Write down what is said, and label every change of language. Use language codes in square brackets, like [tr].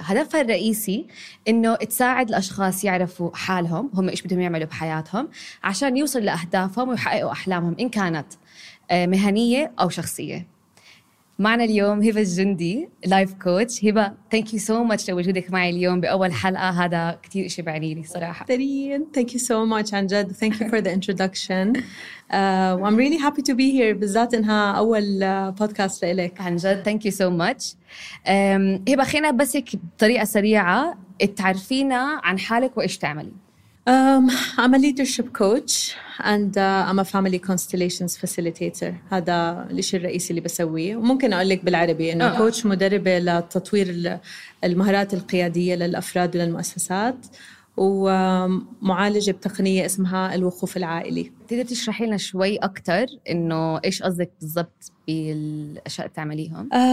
[ar] هدفها الرئيسي إنه تساعد الأشخاص يعرفوا حالهم، هم إيش بدهم يعملوا بحياتهم عشان يوصل لأهدافهم ويحققوا أحلامهم إن كانت مهنية أو شخصية. معنا اليوم هبة الجندي، لايف كوتش. هبة [en] thank you so much [ar] لوجودك معي اليوم بأول حلقة، هذا كتير إشي بعني لي صراحة. [en] ترين thank you so much [ar] عن جد، [en] thank you for the introduction. I'm really happy to be here، [ar] بالذات إنها أول بودكاست لإلك. عن جد [en] thank you so much. [ar] هبة خينا بس بطريقة سريعة تعرفينا عن حالك وإيش تعملي. [en] I'm a leadership coach and I'm a family constellations facilitator. [ar] هذا الشيء الرئيسي اللي بسويه. وممكن أقول لك بالعربي إنه كوتش مدربة لتطوير المهارات القيادية للأفراد وللمؤسسات، ومعالجة بتقنية اسمها الوقوف العائلي. تقدر تشرحي لنا شوي أكتر إنه إيش قصدك بالضبط بالأشياء اللي تعمليهم؟